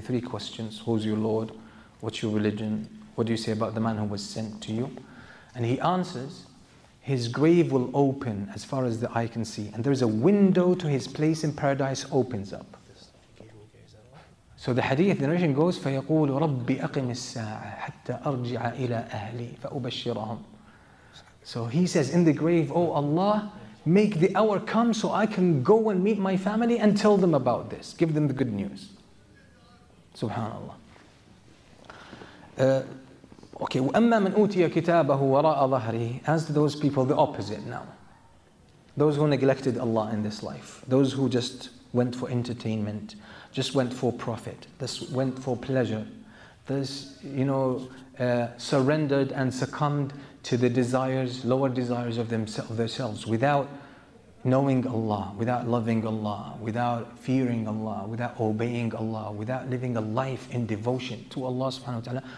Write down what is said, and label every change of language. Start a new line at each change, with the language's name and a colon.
English: The three questions, who's your Lord? What's your religion? What do you say about the man who was sent to you? And he answers, his grave will open as far as the eye can see. And there is a window to his place in paradise opens up. So the hadith, the narration goes,
Arabic: فَيَقُولُ رَبِّ أَقِمِ السَّاعَةَ حَتَّى أَرْجِعَ إِلَىٰ أَهْلِي فَأُبَشِّرَهُمْ.
English: So he says in the grave, oh Allah, make the hour come so I can go and meet my family and tell them about this. Give them the good news. SubhanAllah.
Arabic: Okay, وَأَمَّا مَنْ أُوْتِيَ كِتَابَهُ وَرَاءَ ظَهْرِهِ.
English: As to those people, the opposite now. Those who neglected Allah in this life. Those who just went for entertainment, just went for profit, just went for pleasure. This, you know, surrendered and succumbed to the desires, lower desires of themselves, without knowing Allah, without loving Allah, without fearing Allah, without obeying Allah, without living a life in devotion to Allah subhanahu wa ta'ala.